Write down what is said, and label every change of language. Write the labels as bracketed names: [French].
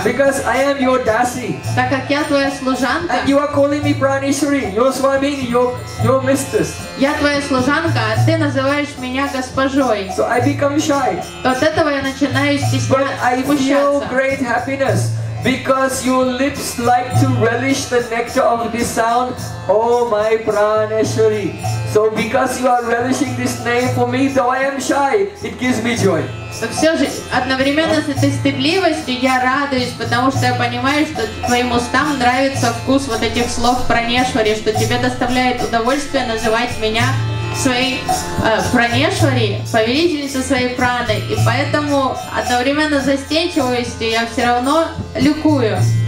[English] Because I am your dasi. [Russian] Так как я твоя служанка. [English] And you are calling me Pranishri, your swamini, your mistress. [Russian] Я твоя служанка, а ты называешь меня госпожой. [English] So I become shy. [Russian] От этого я начинаю стесняться. [English] But I feel great happiness. Because your lips like to relish the nectar of this sound, oh my Praneshwari. So because you are relishing this name for me, though I am shy, it gives me joy. [Russian] Но все же одновременно с этой стыдливостью я радуюсь, потому что я понимаю, что твоим устам нравится вкус вот этих слов Пранешвари, что тебе доставляет удовольствие называть меня своей Пранешвари, повелительницей своей праны. И поэтому одновременно застенчивостью я все равно ликую.